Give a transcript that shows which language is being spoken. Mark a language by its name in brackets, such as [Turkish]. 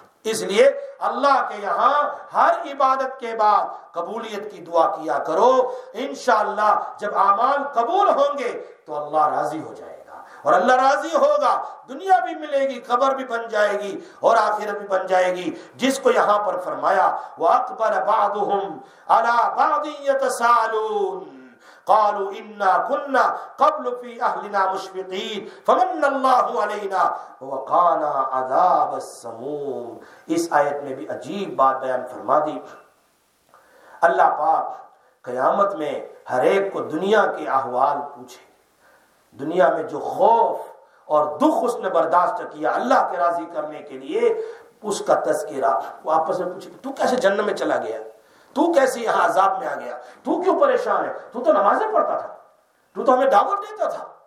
[Urdu] اس لیے اللہ کے یہاں ہر عبادت کے بعد قبولیت کی دعا کیا کرو، انشاءاللہ جب اعمال قبول ہوں گے تو اللہ راضی ہو جائے گا، اور اللہ راضی ہوگا دنیا بھی ملے گی، قبر بھی بن جائے گی اور آخرت بھی بن جائے گی. جس کو یہاں پر فرمایا، [Arabic] وَأَقْبَلَ بَعْضُهُمْ عَلَى بَعْضٍ يَتَسَاءَلُونَ قالوا انا كنا قبل في اهلنا مشفقين فمن الله علينا وقانا عذاب السموم. [Urdu] اس آیت میں بھی عجیب بات بیان فرما دی. اللہ پاک قیامت میں ہر ایک کو دنیا کے احوال پوچھے، دنیا میں جو خوف اور دکھ اس نے برداشت کیا اللہ کے راضی کرنے کے لیے، اس کا تذکرہ وہ آپس میں پوچھے، تو کیسے جنت میں چلا گیا؟ تو کیسے یہاں عذاب میں آ گیا؟ تو کیوں پریشان ہے؟ تو نمازیں پڑھتا تھا، تو ہمیں دعوت دیتا تھا.